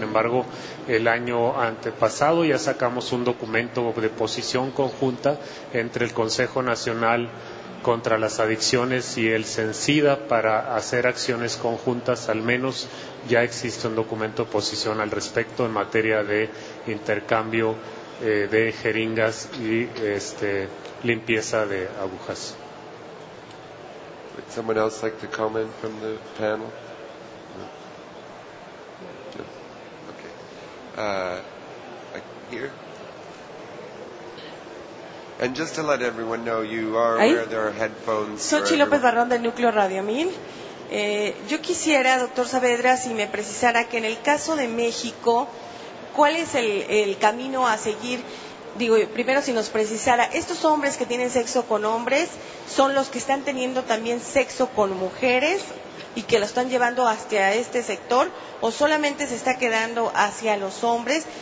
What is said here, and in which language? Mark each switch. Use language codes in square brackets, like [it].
[es] Sin embargo, el año antepasado ya sacamos un documento de posición conjunta entre el Consejo Nacional contra las Adicciones y el CENCIDA para hacer acciones conjuntas. Al menos ya existe un documento de posición al respecto en materia de intercambio de jeringas y limpieza de agujas. [en] Would someone else like to comment from the panel? No? Okay. Here. And just to let everyone know, you are aware there are headphones. [es] Soy Chi López Barrón del Núcleo Radio 1000. Yo quisiera, doctor Saavedra, si me precisara que en el caso de México, ¿cuál es el camino a seguir? Digo, primero, si nos precisara, ¿estos hombres que tienen sexo con hombres son los que están teniendo también sexo con mujeres y que lo están llevando hacia este sector, o solamente se está quedando hacia los hombres?